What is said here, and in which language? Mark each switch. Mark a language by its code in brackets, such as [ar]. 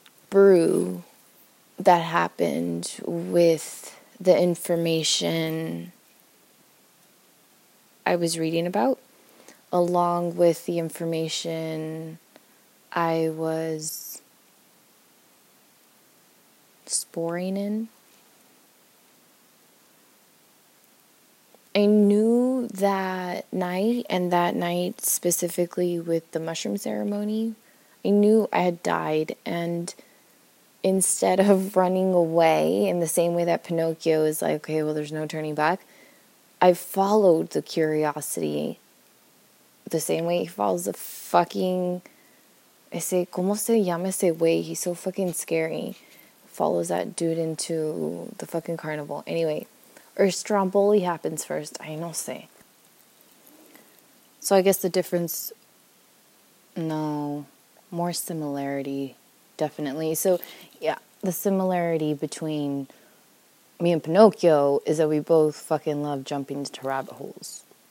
[en] brew that happened with the information I was reading about, along with the information I was sporing in, I knew that night, and that night specifically with the mushroom ceremony, I knew I had died. And instead of running away in the same way that Pinocchio is like, okay, well, there's no turning back, I followed the curiosity the same way he follows the fucking... [es] ese, ¿cómo se llama ese güey? [en] He's so fucking scary. Follows that dude into the fucking carnival. Anyway, or Stromboli happens first. I [es] no sé. [en] So I guess the difference... no, more similarity... definitely. So, yeah, the similarity between me and Pinocchio is that we both fucking love jumping into rabbit holes.